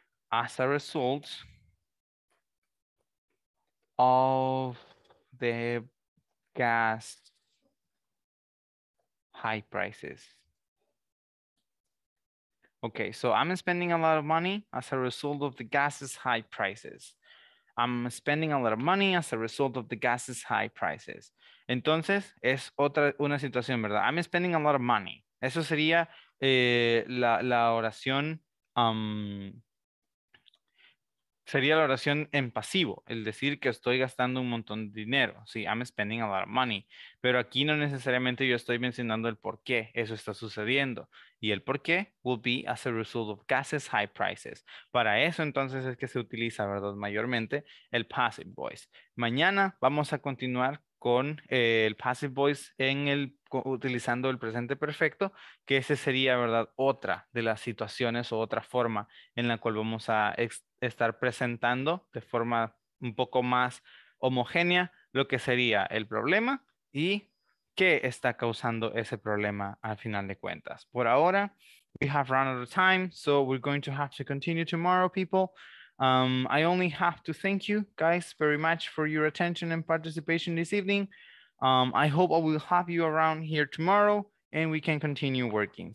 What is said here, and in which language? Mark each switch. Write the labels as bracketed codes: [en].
[en] As a result of the gas high prices. Okay, so I'm spending a lot of money as a result of the gas's high prices. I'm spending a lot of money as a result of the gas's high prices. [es] Entonces, es otra una situación, ¿verdad? [en] I'm spending a lot of money. [es] Eso sería la oración, sería la oración en pasivo, el decir que estoy gastando un montón de dinero. Sí, [en] I'm spending a lot of money. [es] Pero aquí no necesariamente yo estoy mencionando el por qué eso está sucediendo. Y el por qué [en] will be as a result of gas's high prices. [es] Para eso entonces es que se utiliza, ¿verdad?, mayormente el passive voice. Mañana vamos a continuar con el passive voice en el utilizando el presente perfecto, que ese sería, ¿verdad?, otra de las situaciones o otra forma en la cual vamos a estar presentando de forma un poco más homogénea lo que sería el problema y qué está causando ese problema al final de cuentas. Por ahora, [en] we have run out of time, so we're going to have to continue tomorrow, people. I only have to thank you guys very much for your attention and participation this evening. I hope I will have you around here tomorrow and we can continue working.